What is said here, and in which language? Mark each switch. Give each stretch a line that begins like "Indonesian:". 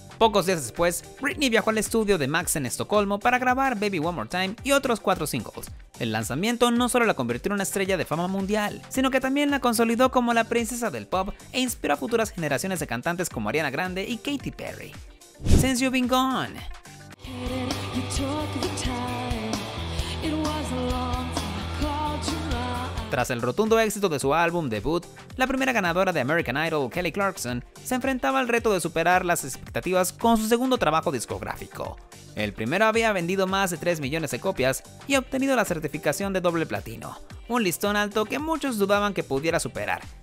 Spanish: Pocos días después, Britney viajó al estudio de Max en Estocolmo para grabar Baby One More Time y otros 4 singles. El lanzamiento no solo la convirtió en una estrella de fama mundial, sino que también la consolidó como la princesa del pop e inspiró a futuras generaciones de cantantes como Ariana Grande y Katy Perry.
English: Since You've Been Gone. You took the time. It was a long time. I called you up.
Spanish: Tras el rotundo éxito de su álbum debut, la primera ganadora de American Idol, Kelly Clarkson, se enfrentaba al reto de superar las expectativas con su segundo trabajo discográfico. El primero había vendido más de 3 millones de copias y obtenido la certificación de doble platino, un listón alto que muchos dudaban que pudiera superar.